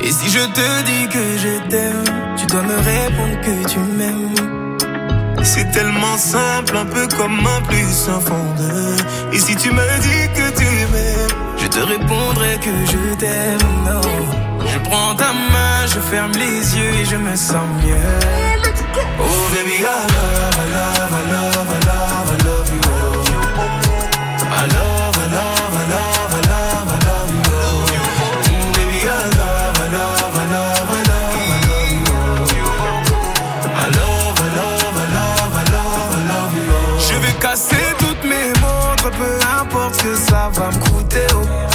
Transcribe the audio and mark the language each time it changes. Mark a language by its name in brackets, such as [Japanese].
[French] Et si je te dis que je t'aime, tu dois me répondre que tu m'aimes. C'est tellement simple, un peu comme un plus un fond de. Et si tu me dis que tu m'aimes, je te répondrai que je t'aime, non. Je prends ta main, je ferme les yeux et je me sens mieux. [English] Oh baby, I love, I love, I love, I love, I love you. Oh. I love, I love, I love, I love, I love, I love you. Oh. Baby, I love, I love, I love, I love, I love you. I love, I love, I love, I love, I love, I love, I love you. Oh. [French] Je vais casser toutes mes montres, peu importe que ça va me coûter. Oh.